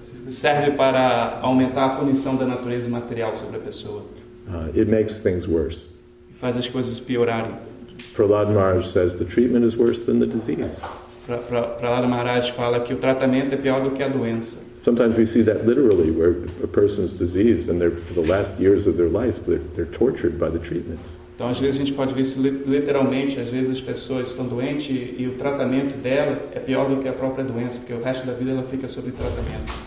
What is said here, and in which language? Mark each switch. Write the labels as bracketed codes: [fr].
[pt] Serve para aumentar a punição da natureza material sobre a pessoa. [en] It makes things worse. [pt] Faz as coisas piorarem. [en] Prahlad Maharaj says the treatment is worse than the disease. [pt] Prahlad Maharaj fala que o tratamento é pior do que a doença. [en] Sometimes we see that literally, where a person's diseased and they're for the last years of their life, they're tortured by the treatments. [pt] Então às vezes a gente pode ver isso literalmente, às vezes as pessoas estão doentes e o tratamento dela é pior do que a própria doença, porque o resto da vida ela fica sob tratamento.